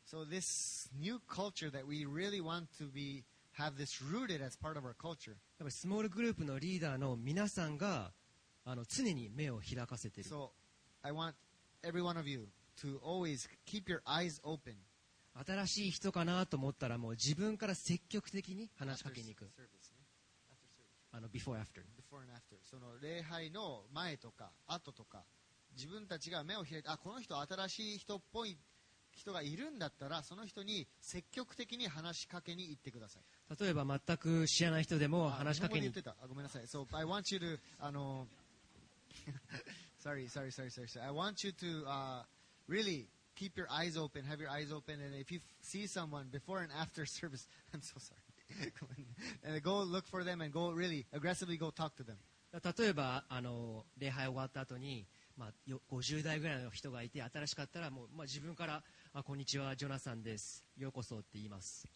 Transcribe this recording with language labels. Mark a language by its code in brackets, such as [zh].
[en] So this new culture that we really want to be have this rooted as part of our culture. [ja] やっぱりスモールグループのリーダーの皆さんがあの常に目を開かせている。 [en] So I want every one of youTo always keep your eyes open. [ja] 新しい人かなと思ったらもう自分から積極的に話しかけに行く。 [en] あの before after. Before and after. [ja] その礼拝の前とか後とか自分たちが目を開いて、あ、この人新しい人っぽい人がいるんだったらその人に積極的に話しかけに行ってください。例えば全く知らない人でも話しかけに。言ってた。あ、ごめんなさい。 [en] So I want you to Sorry. I want you to really keep your eyes open, have your eyes open, and if you see someone before and after service, I'm so sorry. and go look for them and go really aggressively go talk to them. [ja] 例えばあの礼拝終わった後に、まあ、50代ぐらいの人がいて新しかったらもう、まあ、自分からあこんにちはジョナサンですようこそって言います。